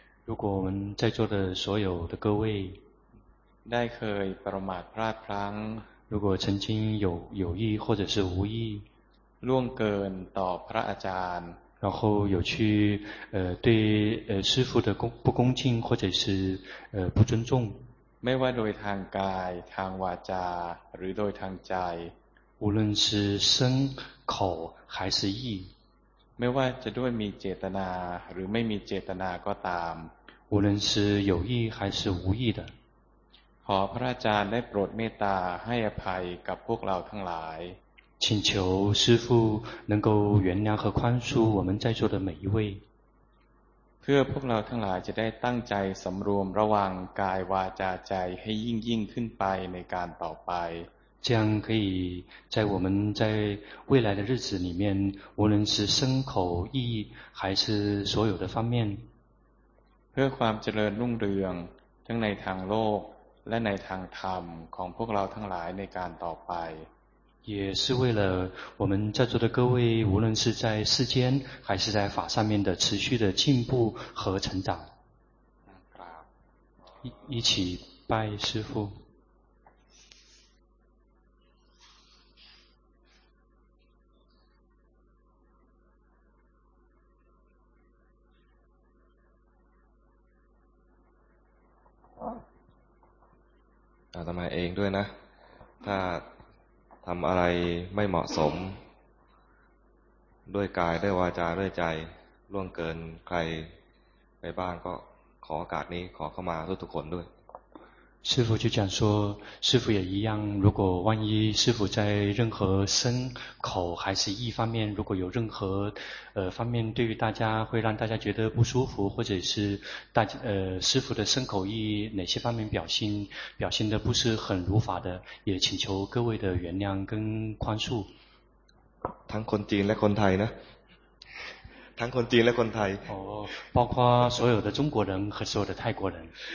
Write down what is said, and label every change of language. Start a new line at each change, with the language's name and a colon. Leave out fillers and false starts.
Chinese: 如果我们在座的所有的各位
Thai: ได้เคยประมาทพลาดพลั้ง
Chinese: 如果曾经有意或者是无意
Thai: ล่วงเกินต่อพระอาจารย์
Chinese: 然后有去对师父的不恭敬或者是不尊重
Thai: ไม่ว่าโดยทางกายทางวาจาหรือโดยทางใจ
Chinese: 无论是身口还是意
Thai: ไม่ว่าจะด้วยมีเจตนาหรือไม่มีเจตนาก็ตาม
Chinese: 无论是有意还是无意的
Thai: ขอพระอาจารย์ได้โปรดเมตตาให้อภัยกับพวกเราทั้งหลาย
Chinese: 请求师父能够原谅和宽恕我们在座的每一位
Thai: เพื่อพวกเราทั้งหลายจะได้ตั้งใจสำรวมระวังกายวาจาใจให้ยิ่งขึ้นไปในการต่อไป จึงคือใน
Chinese: 我们在未来的日子里面无论是身口意还是所有的方面
Thai: เพื่อความเจริญรุ่งเรืองทั้งในทางโลกและในทางธรรมของพวกเราทั้งหลายในการต่อไป
Chinese: 也是为了我们在座的各位无论是在世间还是在法上面的持续的进步和成长一起拜师父
Thai: อาตมาเองด้วยนะถ้าทำอะไรไม่เหมาะสมด้วยกายด้วยวาจาด้วยใจล่วงเกินใครไปบ้างก็ขอโอกาสนี้ขอเข้ามาทุกคนด้วย
Chinese: 师父就讲说师父也一样如果万一师父在任何身口还是意方面如果有任何方面对于大家会让大家觉得不舒服或者是大家师父的身口意哪些方面表现的不是很如法的也请求各位的原谅跟宽恕
Thai: ทั้งคนจีนและคนไทยนะทั้งคนจีนและคนไทย
Chinese: 哦包括所有的中国人和所有的泰国人